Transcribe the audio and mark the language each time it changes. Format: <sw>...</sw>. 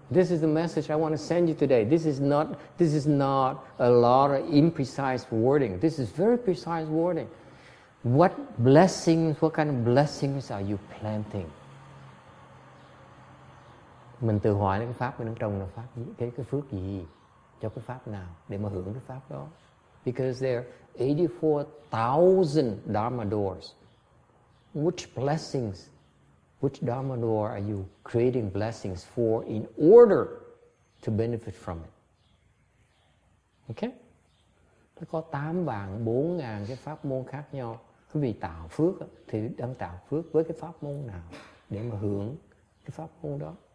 <en>This is the message I want to send you today. This is not a lot of imprecise wording. This is very precise wording. What blessings, what kind of blessings are you planting?</en> <vi>Mình tự hỏi cái pháp mình đang trồng là pháp cái phước gì cho cái pháp nào để mà hưởng cái pháp đó.</vi> <en>Because there are 84,000 Dharma doors. Which blessings, which Dharma door are you creating blessings for in order to benefit from it? Okay?</en> <vi>Nó có 84,000 cái pháp môn khác nhau. Quý vị tạo phước thì đang tạo phước với cái pháp môn nào để mà hưởng cái pháp môn đó?</vi>